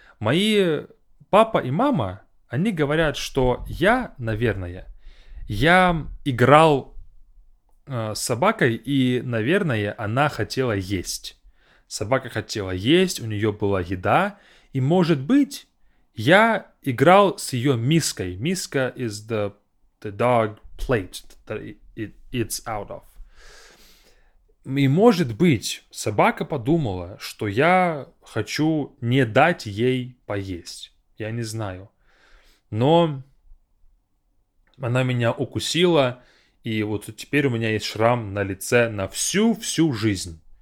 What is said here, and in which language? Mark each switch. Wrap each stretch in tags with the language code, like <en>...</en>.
<ru>Мои папа и мама, они говорят, что я, наверное, я играл с собакой, и, наверное, она хотела есть. Собака хотела есть, у нее была еда, и, может быть, я играл с ее миской.</ru> <en>Миска is the dog plate that it's out of.</en> <ru>И, может быть, собака подумала, что я хочу не дать ей поесть. Я не знаю. Но она меня укусила, и вот теперь у меня есть шрам на лице на всю-всю жизнь.</ru>